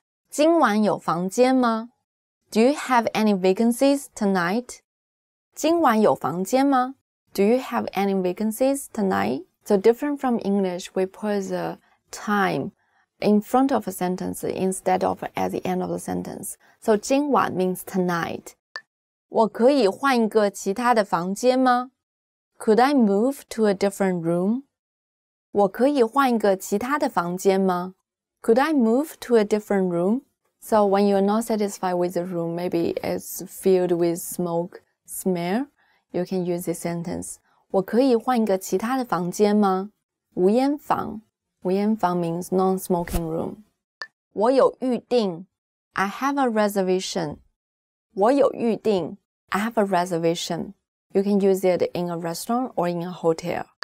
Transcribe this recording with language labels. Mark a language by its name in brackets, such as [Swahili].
[Chinese] 今晚有房间吗? [English] Do you have any vacancies tonight? [Chinese] 今晚有房间吗? [English] Do you have any vacancies tonight? So different from English, we put the time in front of a sentence instead of at the end of the sentence. So 今晚 means tonight. [Chinese] 我可以换一个其他的房间吗? [English] Could I move to a different room? [Chinese] 我可以换一个其他的房间吗? [English] Could I move to a different room? So when you're not satisfied with the room, maybe it's filled with smoke, smell, you can use this sentence. [Chinese] 我可以换一个其他的房间吗? [English] 无烟房 means non-smoking room. [Chinese] 我有预定。 [English] I have a reservation. [Chinese] 我有预定。 [English] I have a reservation. You can use it in a restaurant or in a hotel.